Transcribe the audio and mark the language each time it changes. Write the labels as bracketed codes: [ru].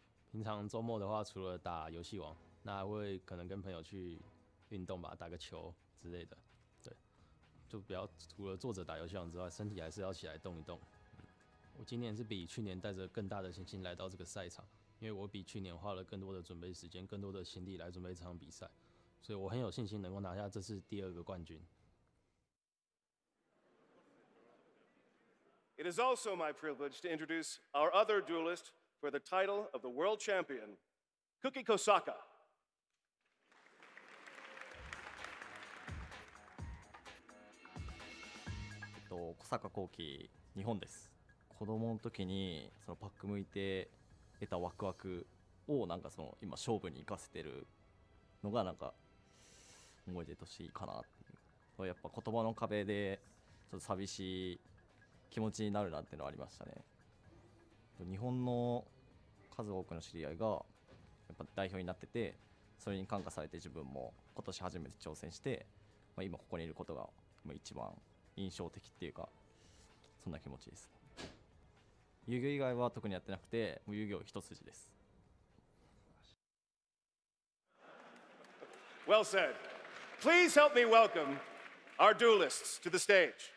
[zh] 平常周末的话，除了打游戏王，那还会可能跟朋友去运动吧，打个球之类的。对，就不要除了坐着打游戏王之外，身体还是要起来动一动。我今年是比去年带着更大的信心来到这个赛场，因为我比去年花了更多的准备时间、更多的心力来准备这场比赛，所以我很有信心能够拿下这次第二个冠军。 [en] It is also my privilege to introduce our other duelist for the title of the world champion, Koki Kosaka. [ja] 小坂幸喜日本です。子供の時にそのパック向いて得たワクワクをなんかその今勝負に生かせてるのがなんか思い出としていいかなっていう。やっぱ言葉の壁でちょっと寂しい気持ちになるなっていうのはありましたね。日本の数多くの知り合いがやっぱ代表になってて、それに感化されて自分も今年初めて挑戦して、まあ、今ここにいることが一番印象的っていうか、そんな気持ちです。遊戯以外は特にやってなくて、もう遊戯を一筋です。 [en] Well said. Please help me welcome our duelists to the stage.